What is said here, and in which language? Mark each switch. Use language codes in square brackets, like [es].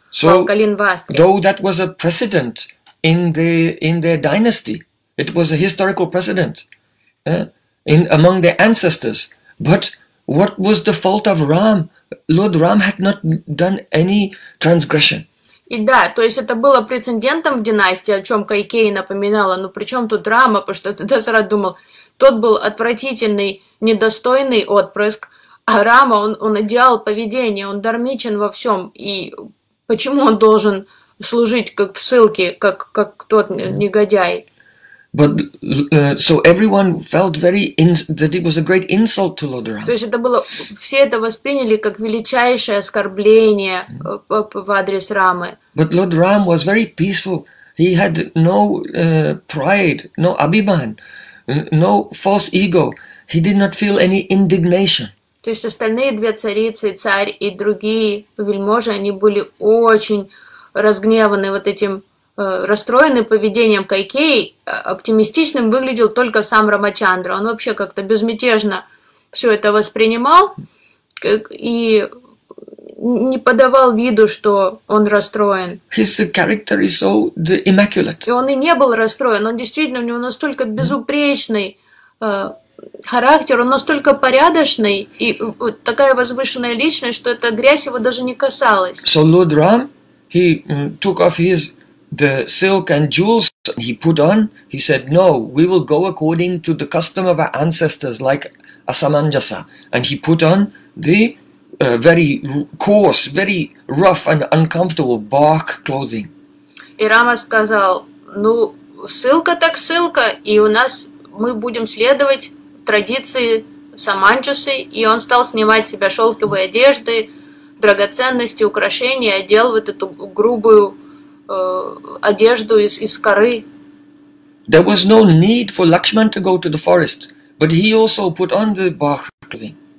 [en] so, [ru] в Калинвастре. [en] Though that was a precedent in their dynasty, it was a historical precedent in among their ancestors. But what was the fault of Ram? Lord Ram had not done any transgression. [ru] И да, то есть это было прецедентом в династии, о чем Кайкеи напоминала, но при чем тут Рама, потому что ты сразу думал, тот был отвратительный, недостойный отпрыск, а Рама, он идеал поведения, он дармичен во всем, и почему он должен служить как в ссылке, как тот негодяй? [en] But so everyone felt very that it was a great insult to Lord Ram. [ru] То есть это было, все это восприняли как величайшее оскорбление в адрес Рамы. [en] But Lord Ram was very peaceful. He had no pride, no abhiman, no false ego. He did not feel any indignation. [ru] То есть остальные две царицы, царь и другие вельможи, они были очень разгневаны вот этим. Расстроенный поведением Кайкеи, оптимистичным выглядел только сам Рамачандра. Он вообще как-то безмятежно все это воспринимал и не подавал виду, что он расстроен. [en] His character is so immaculate. [ru] И он и не был расстроен. Он действительно, у него настолько безупречный характер, он настолько порядочный и вот такая возвышенная личность, что эта грязь его даже не касалась. [en] So Lord Ram, he took off his the silk and jewels he put on, he said, no, we will go according to the custom of our ancestors, like Асаманджаса. And he put on the very coarse, very rough and uncomfortable bark clothing. [ru] И Рама сказал, ссылка так ссылка, и у нас, мы будем следовать традиции Саманджасы. И он стал снимать с себя шелковые одежды, драгоценности, украшения, одел вот эту грубую одежду из коры. [en] There was no need for Lakshman to go to the forest, but he also put on the bark clothing.